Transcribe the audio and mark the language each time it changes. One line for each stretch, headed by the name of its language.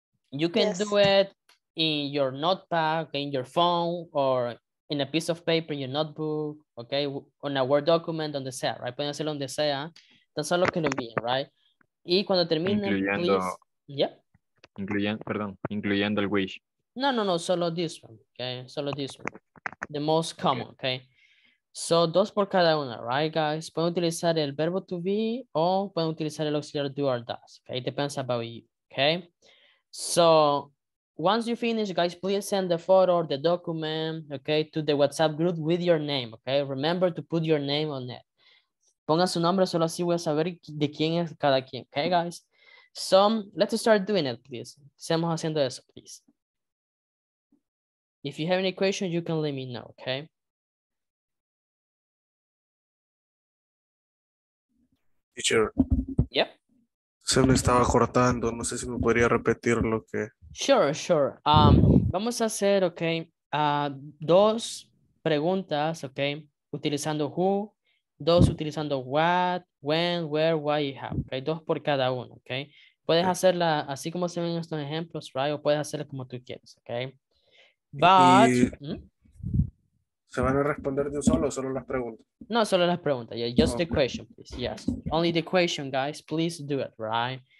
English: You can do it in your notepad, okay, in your phone, or in a piece of paper, in your notebook, okay, on a Word document,
Spanish: donde sea,
English: right?
Spanish: Pueden hacerlo donde sea, tan solo que lo envíen, right? Y cuando terminen, incluyendo,
English: please, yeah.
Spanish: Incluyendo, perdón, incluyendo el wish.
English: No, no, no, solo this one, okay? Solo this one, the most common, okay? Okay?
Spanish: So, dos por cada una, right, guys? Pueden utilizar el verbo to be o pueden utilizar el auxiliar
English: do or does,
Spanish: okay?
English: It depends about you, okay? So, once you finish, guys, please send the photo or the document, okay, to the WhatsApp group with your name, okay? Remember to put your name on it.
Spanish: Pongan su nombre, solo así voy a saber de quién es cada quien, okay, guys?
English: So, let's start doing it, please.
Spanish: Seamos haciendo eso,
English: please. If you have any questions, you can let me know, okay? Teacher. Yep.
Spanish: Se me estaba cortando, no sé si me podría repetir lo que...
English: Sure, sure.
Spanish: Vamos a hacer, okay, dos preguntas, okay, utilizando who, dos utilizando what, when, where, why, how, okay, dos por cada uno, okay. Puedes hacerla así como se ven estos ejemplos, right, o puedes hacerla como tú quieres, okay.
English: But...
Spanish: ¿Se van a responder de un solo o solo las preguntas? No, solo las preguntas,
English: yeah, just the question, please, yes. Only the question, guys, please do it, right?